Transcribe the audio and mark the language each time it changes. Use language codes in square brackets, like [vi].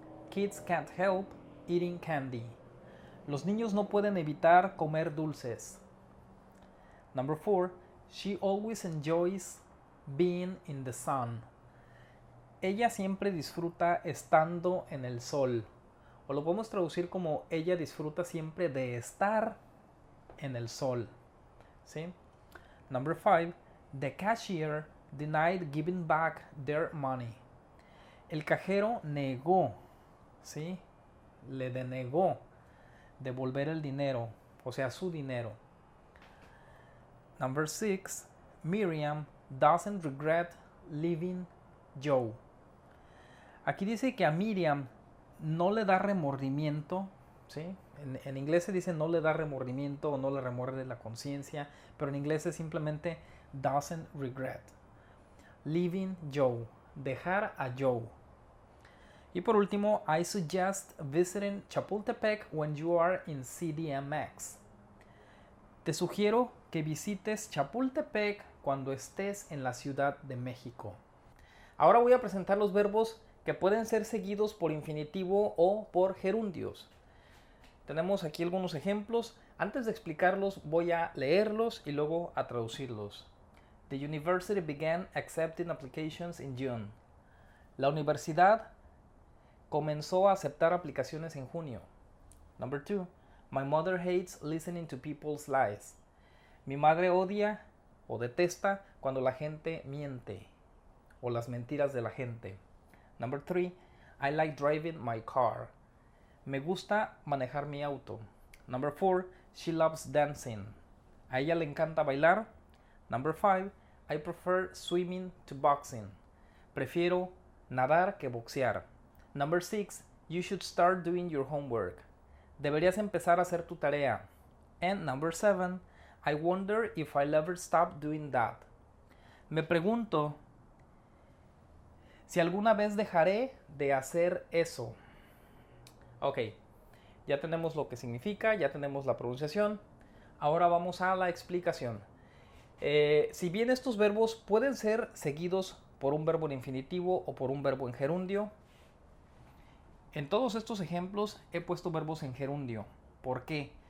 [en] Kids can't help eating candy. [es] Los niños no pueden evitar comer dulces. [en] Number 4. She always enjoys being in the sun. [es] Ella siempre disfruta estando en el sol. O lo podemos traducir como ella disfruta siempre de estar en el sol. [en] ¿Sí? Number 5. The cashier denied giving back their money. [es] El cajero negó, ¿sí?, le denegó devolver el dinero, o sea, su dinero. [en] Number 6. Miriam doesn't regret leaving Joe. [es] Aquí dice que a Miriam no le da remordimiento, ¿sí? En inglés se dice no le da remordimiento o no le remuerde la conciencia, pero en inglés es simplemente [en] doesn't regret leaving Joe, [es] dejar a Joe. Y por último, [en] I suggest visiting Chapultepec when you are in CDMX. [es] Te sugiero que visites Chapultepec cuando estés en la Ciudad de México. Ahora voy a presentar los verbos que pueden ser seguidos por infinitivo o por gerundios. Tenemos aquí algunos ejemplos. Antes de explicarlos, voy a leerlos y luego a traducirlos. [en] The university began accepting applications in June. [es] La universidad comenzó a aceptar aplicaciones en junio. [en] Number 2. My mother hates listening to people's lies. [es] Mi madre odia o detesta cuando la gente miente o las mentiras de la gente. [en] Number 3. I like driving my car. [es] Me gusta manejar mi auto. [en] Number 4. She loves dancing. [es] A ella le encanta bailar. [en] Number 5. I prefer swimming to boxing. [es] Prefiero nadar que boxear. [en] Number 6. You should start doing your homework. [es] Deberías empezar a hacer tu tarea. [en] And number 7. I wonder if I'll ever stop doing that. [es] Me pregunto Si alguna vez dejaré de hacer eso. Ok, ya tenemos lo que significa, ya tenemos la pronunciación. Ahora vamos a la explicación. Si bien estos verbos pueden ser seguidos por un verbo en infinitivo o por un verbo en gerundio, en todos estos ejemplos he puesto verbos en gerundio. ¿Por qué?